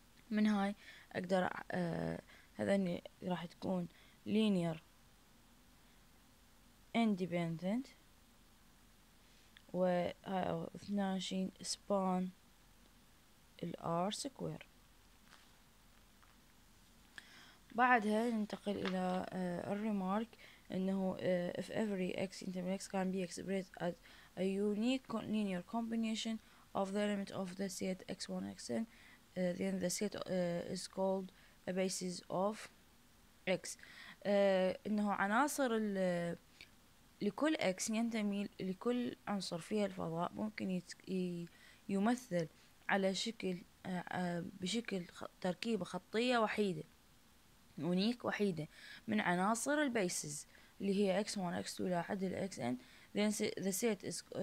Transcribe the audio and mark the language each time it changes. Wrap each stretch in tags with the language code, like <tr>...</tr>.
<ar>من هاي اقدر هذني راح تكون linear independent، وهاي 22 span ال R square.</ar> <en>بعدها ننتقل الى remark انه if every x intermix can be expressed as a unique linear combination of the element of the set x1 xn then the set is called a basis of x.</en> <ar>انه عناصر لكل x ينتمي لكل عنصر فيها الفضاء ممكن يمثل على شكل بشكل تركيبة خطية وحيدة unique وحيدة من عناصر البيسز اللي هي x1 x2 الى حد ال xn</ar> <en>then the set is</en>